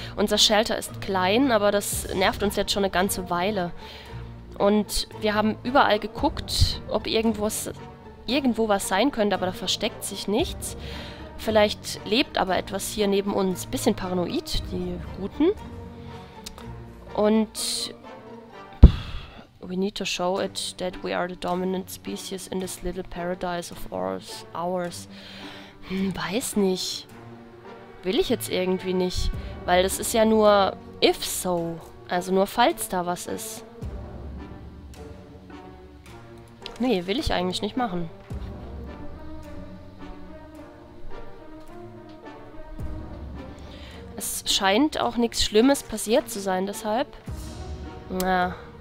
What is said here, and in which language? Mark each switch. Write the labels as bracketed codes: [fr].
[de] Unser Shelter ist klein, aber das nervt uns jetzt schon eine ganze Weile. Und wir haben überall geguckt, ob irgendwo was sein könnte, aber da versteckt sich nichts. Vielleicht lebt aber etwas hier neben uns. Bisschen paranoid, die Guten. [en] Und we need to show it that we are the dominant species in this little paradise of ours. [de] Weiß nicht. Will ich jetzt irgendwie nicht. Weil das ist ja nur [en] if so. [de] Also nur falls da was ist. Nee, will ich eigentlich nicht machen. Es scheint auch nichts Schlimmes passiert zu sein, deshalb. Na.